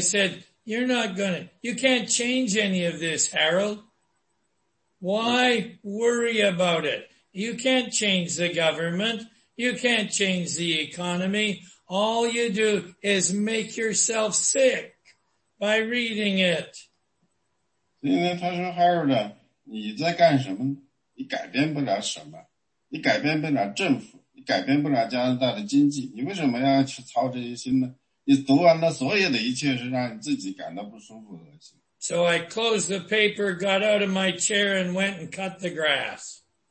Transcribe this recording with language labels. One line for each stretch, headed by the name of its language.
English: said, you're not gonna, you can't change any of this, Harold. Why worry about it? You can't change the government. You can't change the economy. All you do is make yourself sick by reading it.
Chinese: 所以呢，他说 Harold， 你在干什么？你改变不了什么，你改变不了政府，你改变不了加拿大的经济。你为什么要去操这些心呢？你读完了所有的一切，是让你自己感到不舒服恶心。
English: So I closed the paper, got out of my chair, and went and cut the grass.